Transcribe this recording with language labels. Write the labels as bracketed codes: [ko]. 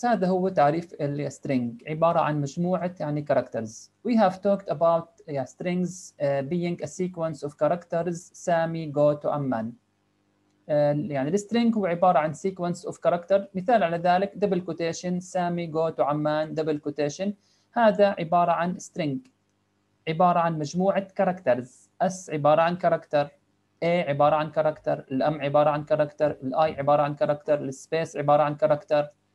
[ar] هذا هو تعريف الـ string، عبارة عن مجموعة يعني characters. [en] We have talked about strings being a sequence of characters. Sami, go to Amman. [ar] يعني الـ string هو عبارة عن [en] sequence of characters. [ar] مثال على ذلك double quotation. [en] Sami, go to Amman. Double quotation. [ar] هذا عبارة عن string، عبارة عن مجموعة characters. S عبارة عن character. A عبارة عن كاركتر، الام عبارة عن كاركتر، الاي عبارة عن كاركتر، السبيس عبارة عن كاركتر.